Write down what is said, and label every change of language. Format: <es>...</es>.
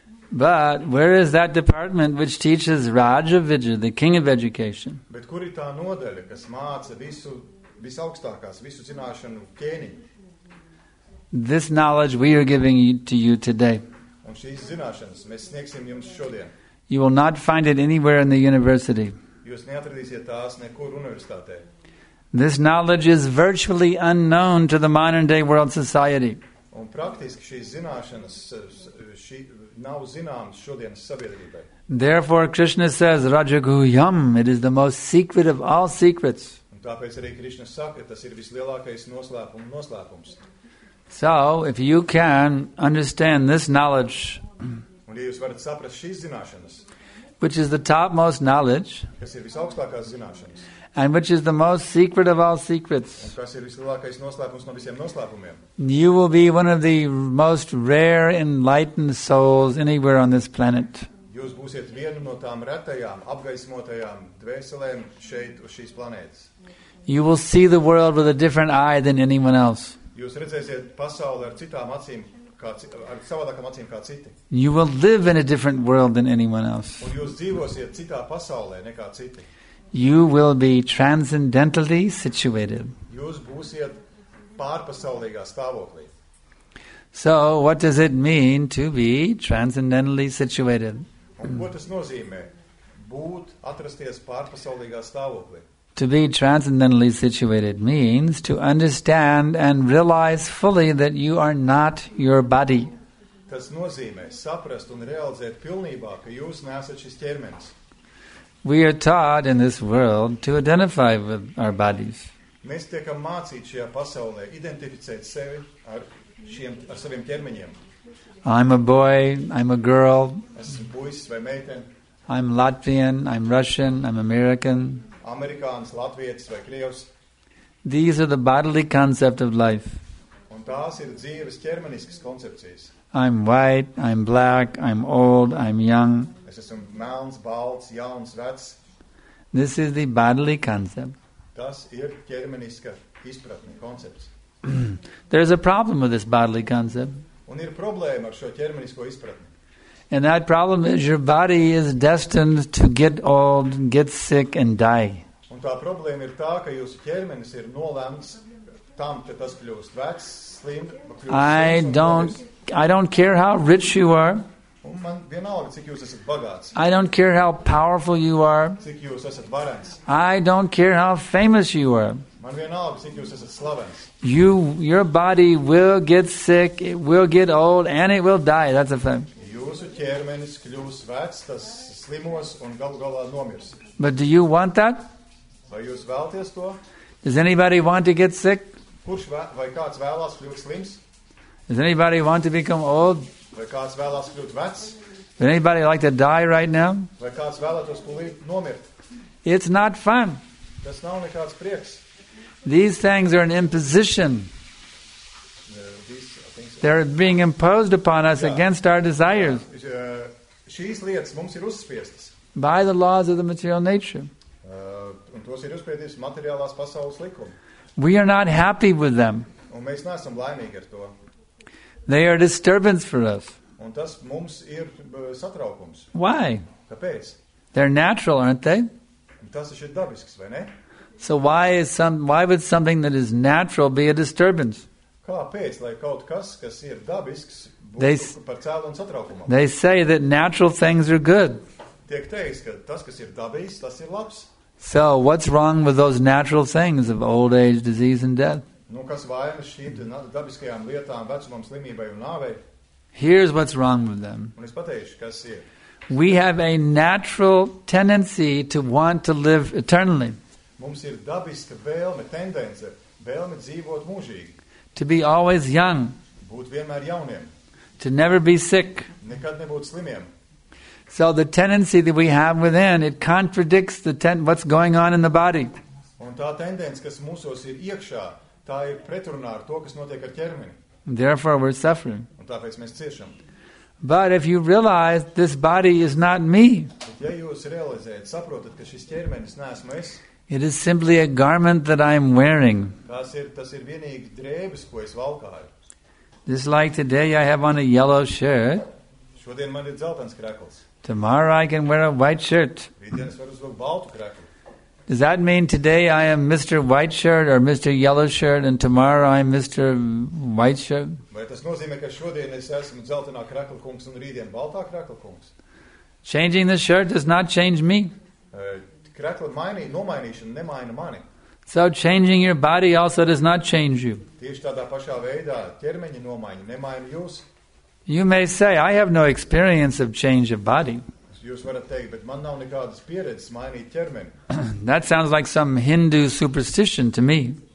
<en>But where is that department which teaches Raja Vidya, the king of education?</en> <lv>Bet kur ir tā nodaļa, kas māca visu, visaugstākās, visu zināšanu kēniņu?</lv> <en>This knowledge we are giving to you today.</en> <lv>Un šīs zināšanas mēs sniegsim jums šodien.</lv> <en>You will not find it anywhere in the university.</en> <lv>Jūs neatradīsiet tās nekur universitātē.</lv> <en>This knowledge is virtually unknown to the modern day world society.</en> <lv>Un praktiski šīs zināšanas šī nav zināmas šodienas sabiedrībai.</lv> <en>Therefore Krishna says Rajaguhyam, it is the most secret of all secrets.</en> <lv>Un tāpēc arī Krishna saka, tas ir vislielākais noslēpums, noslēpums.</lv> <en>So, if you can understand this knowledge,</en> <lv>un, ja jūs varat saprast šīs zināšanas,</lv> <en>which is the topmost knowledge,</en> <lv>kas ir visaugstākās zināšanas,</lv> <en>and which is the most secret of all secrets,</en> <lv>un kas ir vislielākais noslēpums no visiem noslēpumiem,</lv> <en>you will be one of the most rare enlightened souls anywhere on this planet.</en> <lv>Jūs būsiet vienu no tām retajām, apgaismotajām dvēselēm šeit uz šīs planētas.</lv> <en>You will see the world with a different eye than anyone else.</en> <lv>Jūs redzēsiet pasauli ar citām acīm, ar savādākām acīm kā citi.</lv> <en>You will live in a different world than anyone else.</en> <lv>Un jūs dzīvosiet citā pasaulē nekā citi.</lv> <en>You will be transcendentally situated.</en> <lv>Jūs būsiet pārpasaulīgā stāvoklī.</lv> <en>So, what does it mean to be transcendentally situated?</en> <lv>Un ko tas nozīmē? Būt, atrasties pārpasaulīgā stāvoklī.</lv> <en>To be transcendentally situated means to understand and realize fully that you are not your body.</en> <lv>Tas nozīmē saprast un realizēt pilnībā, ka jūs neesat šis ķermenis.</lv> <en>We are taught in this world to identify with our bodies.</en> <lv>Mēs tiekam mācīt šajā pasaulē identificēt sevi ar šiem, ar saviem ķermeņiem.</lv> <en>I'm a boy, I'm a girl.</en> <lv>Esmu puisis vai meitene.</lv> <en>I'm Latvian, I'm Russian, I'm American.</en> <lv>Amerikāns, latvietis vai krievs.</lv> <en>These are the bodily concept of life.</en> <lv>Un tās ir dzīves ķermeniskas koncepcijas.</lv> <en>I'm white, I'm black, I'm old, I'm young.</en> <lv>Es esmu melns, balts, jauns, vecs.</lv> <en>This is the bodily concept.</en> <lv>Tas ir ķermeniska izpratne, koncepts.</lv> <en>There is a problem with this bodily concept.</en> <lv>Un ir problēma ar šo ķermenisko izpratni.</lv> <en>And that problem is your body is destined to get old, get sick and die.</en> <lv>Un tā problēma ir tā, ka jūsu ķermenis ir nolemts tam, ka tas kļūst vecs, slims,</lv> <en>I don't care how rich you are.</en> <lv>Un man vienalga, cik jūs esat bagāts.</lv> <en>I don't care how powerful you are.</en> <lv>Cik jūs esat varens.</lv> <en>I don't care how famous you are.</en> <lv>Man vienalga, cik jūs esat slavens.</lv> <en>Your body will get sick, it will get old and it will die. That's a fact.</en> <lv>Jūsu ķermenis kļūs vecs, tas slimos un galu galā nomirs.</lv> <en>But do you want that?</en> <lv>Vai jūs vēlties to?</lv> <en>Does anybody want to get sick?</en> <lv>Kurš vai kāds vēlās kļūt slims?</lv> <en>Does anybody want to become old?</en> <lv>Vai kāds vēlās kļūt vecs?</lv> <en>Does anybody like to die right now?</en> <lv>Vai kāds vēlētos tūlīt nomirt?</lv> <en>It's not fun.</en> <lv>Tas nav nekāds prieks.</lv> <en>These things are an imposition. They are being imposed upon us against our desires.</en> <lv>Šīs lietas mums ir uzspiestas.</lv> <en>By the laws of the material nature.</en> <lv>Un tos ir uzspiedis materiālās pasaules likumi.</lv> <en>We are not happy with them.</en> <lv>Un mēs neesam laimīgi ar to.</lv> <en>They are a disturbance for us.</en> <lv>Un tas mums ir satraukums.</lv> <en>Why?</en> <lv>Kāpēc?</lv> <en>They're natural, aren't they?</en> <lv>Tas ir dabisks, vai ne?</lv> <en>So why would something that is natural be a disturbance?</en> <lv>Kāpēc, lai kaut kas, kas ir dabisks, būtu par cēlu un satraukumam?</lv> <en>They say that natural things are good.</en> <lv>Tiek teiks, ka tas, kas ir dabīs, tas ir labs.</lv> <en>So, what's wrong with those natural things of old age, disease and death?</en> <lv>Nu, kas vainas šīm dabiskajām lietām, vecumam, slimībai un nāvei?</lv> <en>Here's what's wrong with them.</en> <lv>Un es pateišu, kas ir.</lv> <en>We have a natural tendency to want to live eternally.</en> <lv>Mums ir dabiska vēlme, tendence, vēlme dzīvot mūžīgi.</lv> <en>To be always young.</en> <lv>Būt vienmēr jauniem.</lv> <en>To never be sick.</en> <lv>Nekad nebūt slimiem.</lv> <en>So the tendency that we have within, it contradicts the what's going on in the body.</en> <lv>Un tā tendence, kas mūsos ir iekšā, tā ir pretrunā ar to, kas notiek ar ķermeni.</lv> <en>Therefore we're suffering.</en> <lv>Un tāpēc mēs ciešam.</lv> <en>But if you realize this body is not me,</en> <lv>ja jūs realizējat, saprotat, ka šis ķermenis neesmu es,</lv> <en>it is simply a garment that I am wearing.</en> <lv>Tas ir vienīgi drēbes, ko es valkāju.</lv> <en>Just like today I have on a yellow shirt.</en> <lv>Šodien man ir dzeltens krekls.</lv> <en>Tomorrow I can wear a white shirt.</en> <lv>Rītdien es varu uzvilkt baltu krekli.</lv> <en>Does that mean today I am Mr. White Shirt or Mr. Yellow Shirt and tomorrow I am Mr. White Shirt?</en> <lv>Vai tas nozīmē, ka šodien es esmu dzeltenā krekla kungs un rītdien baltā krekla kungs?</lv> <en>Changing the shirt does not change me.</en> <lv>Krekla nomainīšana nemaina mani.</lv> <en>So changing your body also does not change you.</en> <lv>Tieši tādā pašā veidā ķermeņa nomaiņa nemaina jūs.</lv> <en>You may say, I have no experience of change of body.</en> <lv>Jūs varat teikt, bet man nav nekādas pieredzes mainīt ķermeni.</lv> <en>That sounds like some Hindu superstition to me.</en>